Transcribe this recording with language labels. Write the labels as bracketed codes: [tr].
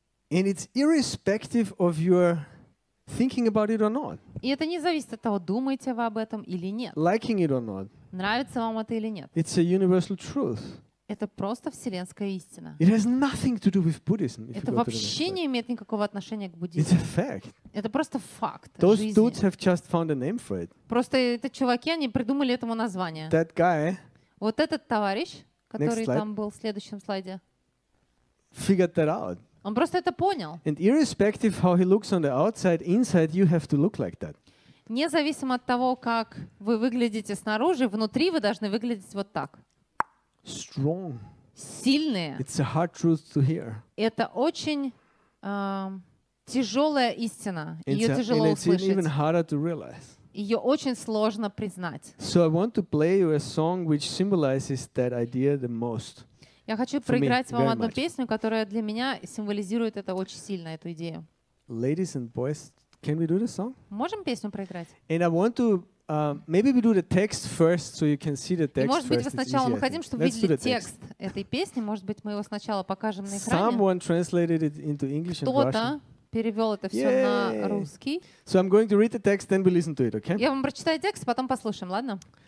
[en] And it's irrespective of your thinking about it or not. [ru] И это не зависит от того, думаете вы об этом или нет. [en] Liking it or not. [ru] Нравится вам это или нет. [en] It's a universal truth. [ru] Это просто вселенская истина. [en] It has nothing to do with Buddhism. [ru] Это вообще не имеет никакого отношения к буддизму. [en] It's a fact. [ru] Это просто факт. [en] Those dudes have just found a name for it. [ru] Просто эти чуваки, они придумали этому название. [en] That guy. [ru] Вот этот товарищ, который там был в следующем слайде. [en] Figured that out. [ru] Он просто это понял. [en] And irrespective how he looks on the outside, inside you have to look like that. [ru] Независимо от того, как вы выглядите снаружи, внутри вы должны выглядеть вот так. [en] Strong. [ru] Сильные. [en] It's a hard truth to hear. [ru] Это очень тяжелая истина. Ее тяжело услышать. [en] And it's even harder to realize. [ru] Ее очень сложно признать. [en] So I want to play you a song which symbolizes that idea the most. [ru] Я хочу проиграть вам одну песню, которая для меня символизирует это очень сильно, эту идею. [en] Ladies and boys, can we do the song? [ru] Можем песню проиграть? [en] And I want to maybe we do the text first, so you can see the text first. [ru] И может быть, вы сначала [en] easier, [ru] мы хотим, чтобы [en] Let's [ru] видели текст этой песни. Может быть, мы его сначала покажем на экране. [en] Someone translated it into English and Russian. [ru] Кто-то перевел это все на русский. [en] So I'm going to read the text, then we listen to it, okay? [ru] Я вам прочитаю текст, потом послушаем, ладно?